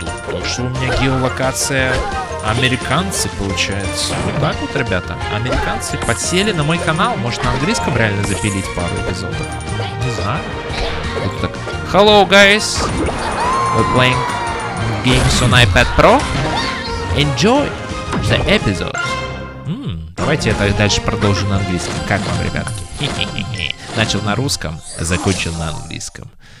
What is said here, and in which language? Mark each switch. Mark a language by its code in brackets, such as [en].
[ru] Так что у меня геолокация американцы, получается. Вот так вот, ребята. Американцы подсели на мой канал. Может, на английском реально запилить пару эпизодов? Не знаю. Вот так. [en] Hello, guys. We're playing games on iPad Pro. Enjoy the episode. [ru] Давайте я дальше продолжу на английском. Как вам, ребятки? Начал на русском, закончил на английском.